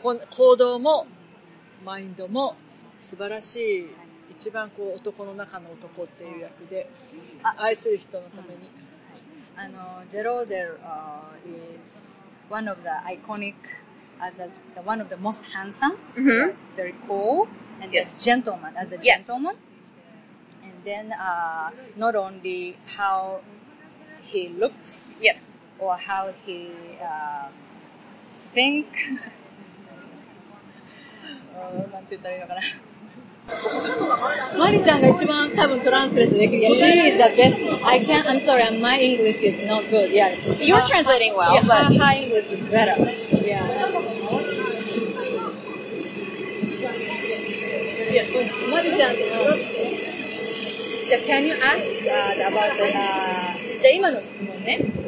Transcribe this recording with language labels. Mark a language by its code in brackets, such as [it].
[ja] 行動も、マインドも、素晴らしい、一番こう男の中の男っていう役で、愛する人のために、 [en] ジェローデル is one of the iconic, as a, the one of the most handsome, very cool, and yes, gentleman, as a gentleman. And then, not only how he looks, yes, or how he think. [ja] なんて言ったらいいのかな。マリちゃんが一番多分トランスレスできる。 [en] She is the best. I can't, I'm sorry, my English is not good. Yeah. You're translating well, yeah, but her English is better. Yeah. Can you ask about the, [ja] じゃあ今の質問ね。